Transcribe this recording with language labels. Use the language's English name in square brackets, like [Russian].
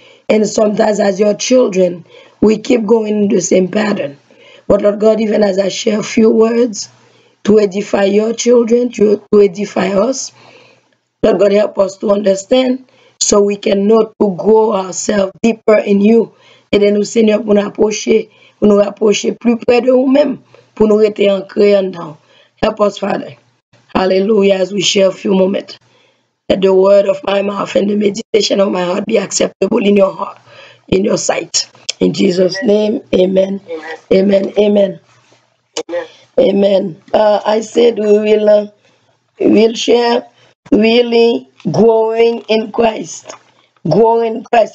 [English] And sometimes as your children, we keep going in the same pattern. But Lord God, even as I share a few words to edify your children, to edify us, Lord God, help us to understand so we can know to grow ourselves deeper in you. [French] Et bien, nous, Seigneur, pour nous rapprocher plus près de vous-même, pour nous rester ancrés en dedans. [English] Help us, Father. Hallelujah, as we share a few moments. Let the word of my mouth and the meditation of my heart be acceptable in your heart, in your sight. In Jesus' name, amen. Amen. Amen. Amen. Amen. I said we'll share really growing in Christ. Growing in Christ.